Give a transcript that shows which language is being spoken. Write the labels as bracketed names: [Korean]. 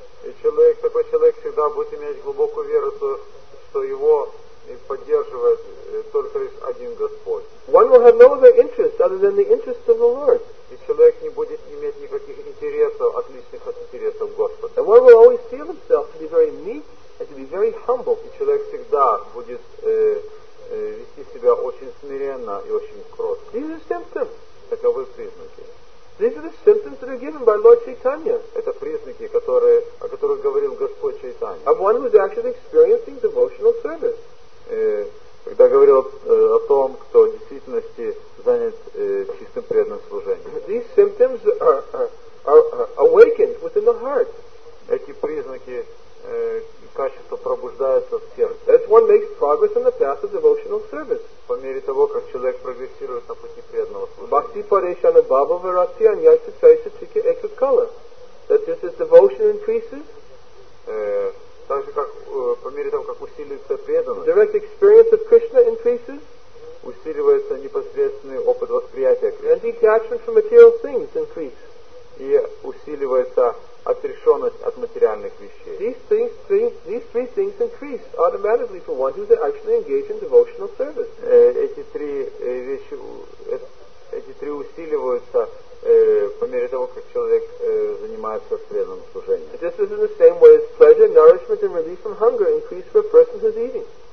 [Russian] И человек, такой человек всегда будет иметь глубокую веру, то, что его поддерживает только лишь один Господь. [English] One will have no other interest other than the interests of the Lord. [Russian] И человек не будет иметь никаких интересов, отличных от интересов Господа. [English] And one will always feel himself to be very meek and to be very humble. [Russian] И человек всегда будет вести себя очень смиренно и очень кротко. [English] These are symptoms. [Russian] Таковы признаки. [English] These are the symptoms that are given by Lord Chaitanya. [Russian] Это признаки, которые, о которых говорил Господь Чайтанья. [English] Of one who is actually experiencing devotional service. [Russian] Когда говорил о том, кто в действительности занят чистым преданным служением. [English] These symptoms are awakened within the heart. [Russian] Эти признаки качества пробуждаются в сердце. [English] As one makes progress on the path of devotional service. [Russian] По мере того, как человек прогрессирует на пути преданного служения. [Sanskrit] Bhakti Pareshana Bhava Virati Anyasya Chaisa Chikya Ekha Kala. [English] That just as devotion increases, [Russian] так же, как по мере того, как усиливается преданность, [English] direct experience of Krishna increases, [Russian] усиливается непосредственный опыт восприятия Кришны, [English] and detachment from material things increases, [Russian] и усиливается отрешенность от материальных вещей. [English] These three things increase automatically for one who is actually engaged in devotional service. [Russian] Эти три усиливаются по мере того, как человек занимается преданным служением. [English] Just as in the same way as pleasure, nourishment and relief from hunger increase for a person who is eating.